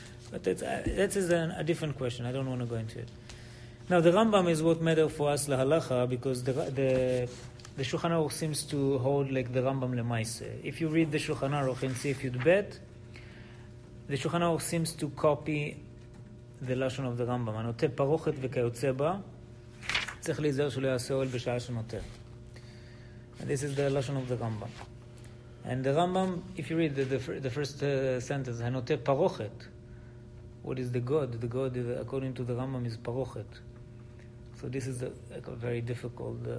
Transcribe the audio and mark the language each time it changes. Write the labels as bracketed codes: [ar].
[en] But that is a different question. I don't want to go into it. Now, the Rambam is what matter for us lahalacha, because the Shulchan Aruch seems to hold like the Rambam lemaise. If you read the Shulchan Aruch and see if you'd bet, the Shulchan Aruch seems to copy the Lashon of the Rambam. Anote parochet v'kayotze ba. [he] צריך להיזהר שלא יעשה אוהל בשעה שנותר. [en] And this is the lashon of the Rambam. And the Rambam, if you read the first sentence, [he] הנותר פרוכת. [en] What is the God? The God, according to the Rambam, is פרוכת. So this is a very difficult...